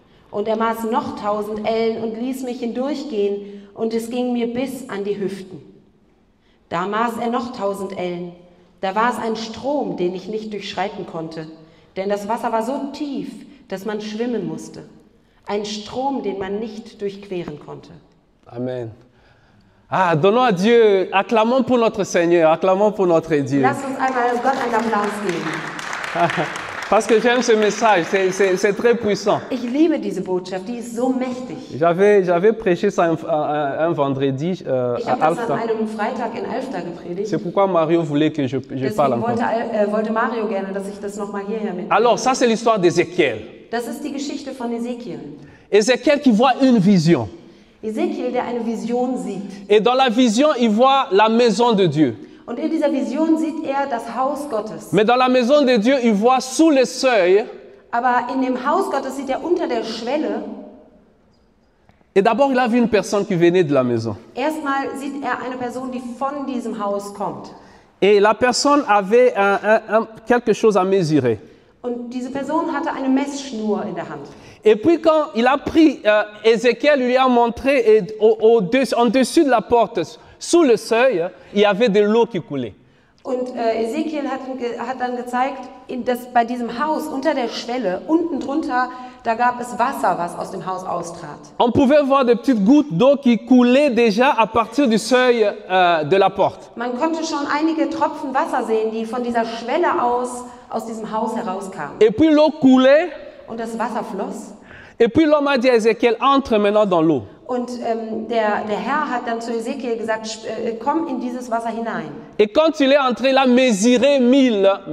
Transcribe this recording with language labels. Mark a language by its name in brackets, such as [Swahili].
[German] Und er maß noch 1000 Ellen und ließ mich hindurchgehen, und es ging mir bis an die Hüften. Da maß er noch 1000 Ellen. Da war es ein Strom, den ich nicht durchschreiten konnte, denn das Wasser war so tief, dass man schwimmen musste. Ein Strom, den man nicht durchqueren konnte. Amen. [French] Ah, donnons à Dieu, acclamons pour notre Seigneur, acclamons pour notre Dieu. [German] Lass uns einmal Gott einen Applaus geben. [French] Parce que j'aime ce message, c'est très puissant. [German] Ich liebe diese Botschaft, die ist so mächtig. [French] J'avais prêché ça un vendredi à Alfta. [German] Ich habe das an einem Freitag in Alfta gepredigt. [French] C'est pourquoi Mario voulait que je parle encore. [German] Wollte Mario gerne, dass ich das nochmal hierher mitnehme. [French] Alors, ça c'est l'histoire d'Ézéchiel. [German] Das ist die Geschichte von Ézéchiel. [French] Ézéchiel qui voit une vision. [German] Ézéchiel, der eine Vision sieht. [French] Et dans la vision, il voit la maison de Dieu. [German] Und in dieser Vision sieht er das Haus Gottes. [French] Mais dans la maison de Dieu, il voit sous le seuil. [German] Aber in dem Haus Gottes sieht er unter der Schwelle. [French] Et d'abord, il a vu une personne qui venait de la maison. [German] Erstmal sieht er eine Person, die von diesem Haus kommt. [French] Et la personne avait quelque chose à mesurer. [German] Und diese Person hatte eine Messschnur in der Hand. [French] Et puis quand il a pris, Ézéchiel lui a montré et en dessus de la porte, sous le seuil, il y avait de l'eau qui coulait. [German] Und Ézéchiel hat dann gezeigt, dass bei diesem Haus unter der Schwelle, unten drunter, da gab es Wasser, was aus dem Haus austrat. [French] On pouvait voir des petites gouttes d'eau qui coulaient déjà à partir du seuil de la porte. [German] Man konnte schon einige Tropfen Wasser sehen, die von dieser Schwelle aus diesem Haus herauskamen. [French] Et puis l'eau coulait. [German] Und das Wasser floss. [French] Et puis l'homme a dit à Ézéchiel, entre maintenant dans l'eau. [German] Und der Herr hat dann zu Ézéchiel gesagt, komm in dieses Wasser hinein. [French] Et quand il est entré, il a mesuré 1000